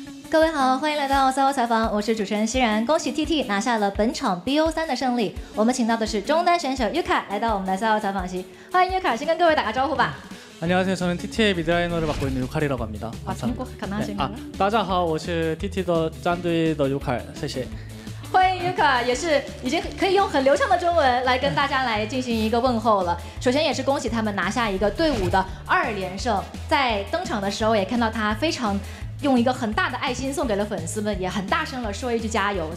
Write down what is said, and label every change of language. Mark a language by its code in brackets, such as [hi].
[zh] 各位好，欢迎来到三窝采访，我是主持人欣然。恭喜 TT 拿下了本场 BO3 的胜利，我们请到的是中单选手 Yuka 来到我们的三窝采访席，欢迎 Yuka， 先跟各位打个招呼吧。 [ko] 안녕하세요저는 TT의 미드라이너를 맡고 있는 Yuka 이라고 합니다。 아중국가능하신가요？ 아 [zh] 大家好，我是 TT 的战队的 Yuka， 谢谢。欢迎 Yuka， 也是已经可以用很流畅的中文来跟大家来进行一个问候了。首先也是恭喜他们拿下一个队伍的二连胜，在登场的时候也看到他非常用一个很大的爱心送给了粉丝们，也很大声了说一句加油。